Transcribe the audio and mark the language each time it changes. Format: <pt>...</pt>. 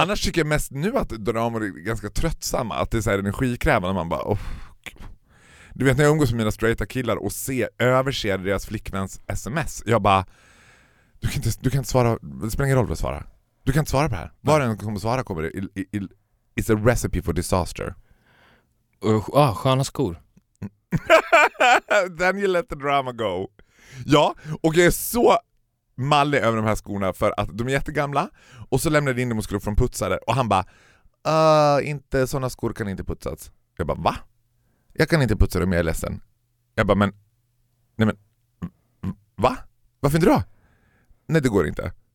<sv>Annars tycker jag mest nu att drama är ganska tröttsamma. Att det är så här energikrävande. Man bara, oh. Du vet när jag umgås med mina straighta killar och överser deras flickvänns sms. Jag bara, du kan inte svara. Det spelar ingen roll vad du svarar. Du kan inte svara på det här. Var en kommer svara kommer det.</sv> <en>It's a recipe for disaster.</en> <sv>Sköna skor.</sv> <en>Then you let the drama go.</en> <sv>Ja, och jag är så mallig över de här skorna för att de är jättegamla. Och så lämnade jag in dem och skulle få dem putsade. Och han bara, inte såna skor kan inte putsas. Jag bara, va? Jag kan inte putsa dem, jag är ledsen. Jag bara, men, nej men, va? Varför inte då? Nej, det går inte.</sv>